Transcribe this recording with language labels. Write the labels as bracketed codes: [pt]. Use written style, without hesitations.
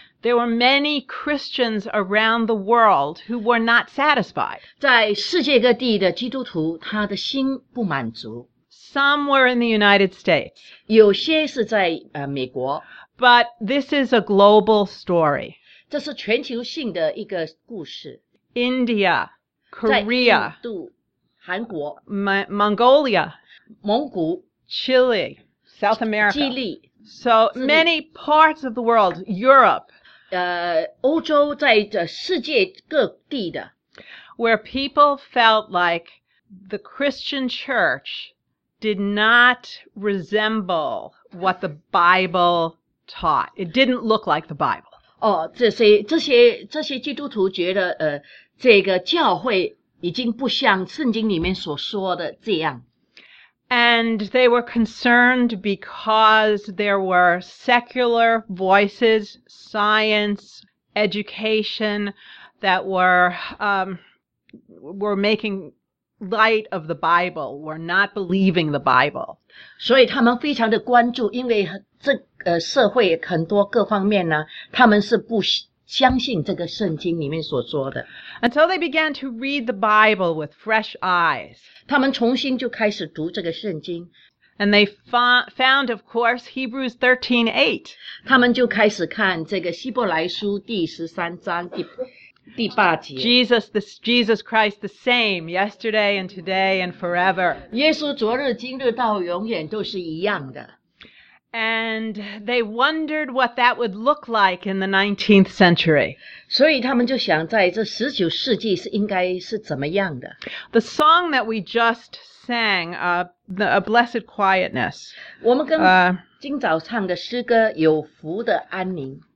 [en] there were many Christians around the world who were not satisfied. [zh] 在世界各地的基督徒，他的心不满足。 [en] Some were in the United States. [zh] 有些是在美国。 [en] But this is a global story. [zh] 这是全球性的一个故事。 [en] India. Korea, [zh] 印度、韩国、 [en] Mongolia, [zh] 蒙古、 [en] Chile, South America, [zh] 基利、 [en] So many parts of the world, Europe, [zh] 欧洲在世界各地的 [en] where people felt like the Christian church did not resemble what the Bible taught. It didn't look like the Bible. [zh] 哦，这些基督徒觉得这个教会已经不像圣经里面所说的这样。 [en] And they were concerned because there were secular voices, science, education that were making light of the Bible, were not believing the Bible. [zh] 所以他们非常的关注，因为这社会很多各方面呢，他们是不相信这个圣经里面所说的。 [en] And so they began to read the Bible with fresh eyes. [zh] 他们重新就开始读这个圣经。 [en] And they found, of course, Hebrews 13:8. [zh] 他们就开始看这个希伯来书第十三章第八节。 [en] Jesus Christ the same, yesterday and today and forever. [zh] 耶稣昨日今日到永远都是一样的。 [en] And they wondered what that would look like in the 19th century. [zh] 所以他们就想在这十九世纪是应该是怎么样的。 [en] The song that we just sang, A Blessed Quietness, [zh] 我们跟今早唱的诗歌有福的安宁